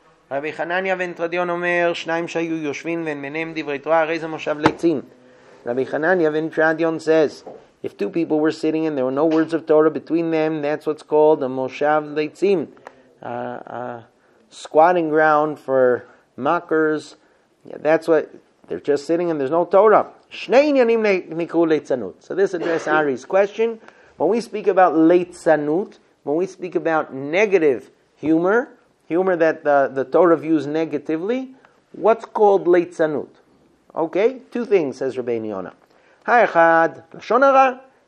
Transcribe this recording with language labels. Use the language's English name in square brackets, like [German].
[Hebrew] רבי חנניה בן טרדיון אומר, שניים שהיו יושבים ואין ביניהם דברי תורה, הרי זה מושב לצין. [English] רבי חנניה בן טרדיון says, if two people were sitting and there were no words of Torah between them, that's what's called a moshav leitzim, a squatting ground for mockers. Yeah, that's what, they're just sitting and there's no Torah. [Hebrew] שני עניינים נקראו ליצנות. [English] So this addresses Ari's question. When we speak about ליצנות, when we speak about negative humor, humor that the Torah views negatively, what's called leitzanut? Okay, two things, says Rabbeinu Yonah. Ha'echad, lashon hara.